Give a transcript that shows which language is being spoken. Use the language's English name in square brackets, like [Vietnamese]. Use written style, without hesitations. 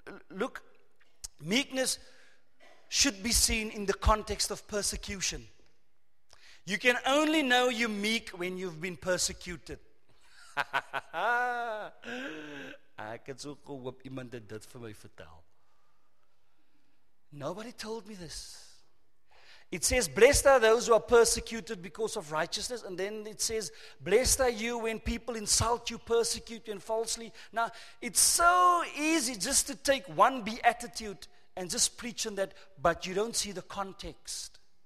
[English] Look, meekness should be seen in the context of persecution. You can only know you're meek when you've been persecuted. [Afrikaans] Ek het so gehoop iemand het dit vir my vertel. [English] Nobody told me this. It says, blessed are those who are persecuted because of righteousness. And then it says, blessed are you when people insult you, persecute you, and falsely. Now, it's so easy just to take one beatitude and just preach on that, but you don't see the context.